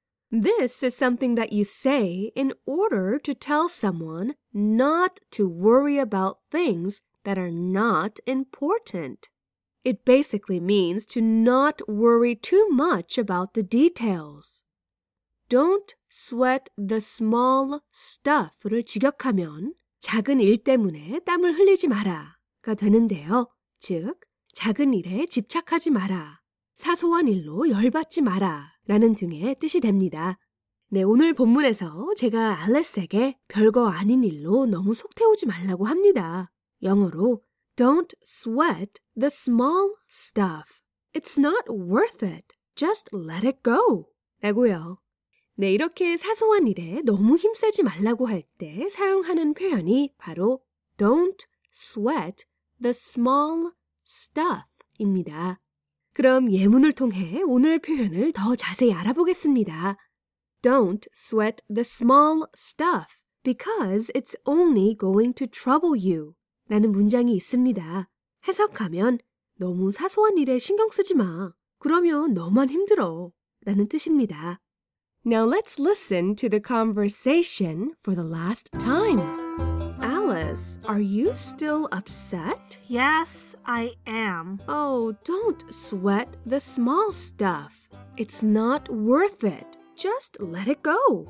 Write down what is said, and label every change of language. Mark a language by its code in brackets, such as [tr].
[en] This is something that you say in order to tell someone not to worry about things that are not important. It basically means to not worry too much about the details. Don't sweat the small stuff를 [ko] 직역하면 작은 일 때문에 땀을 흘리지 마라가 되는데요. 즉, 작은 일에 집착하지 마라, 사소한 일로 열받지 마라라는 등의 뜻이 됩니다. 네, 오늘 본문에서 제가 알레스에게 별거 아닌 일로 너무 속 태우지 말라고 합니다. 영어로 [en] Don't sweat the small stuff. It's not worth it. Just let it go. [ko] 라고요. 네, 이렇게 사소한 일에 너무 힘쓰지 말라고 할 때 사용하는 표현이 바로 [en] Don't sweat the small stuff [ko] 입니다. 그럼 예문을 통해 오늘 표현을 더 자세히 알아보겠습니다. [en] Don't sweat the small stuff because it's only going to trouble you. [ko] 라는 문장이 있습니다. 해석하면 너무 사소한 일에 신경 쓰지 마. 그러면 너만 힘들어. 라는 뜻입니다. [en] Now let's listen to the conversation for the last time. Alice, are you still upset? Yes, I am. Oh, don't sweat the small stuff. It's not worth it. Just let it go.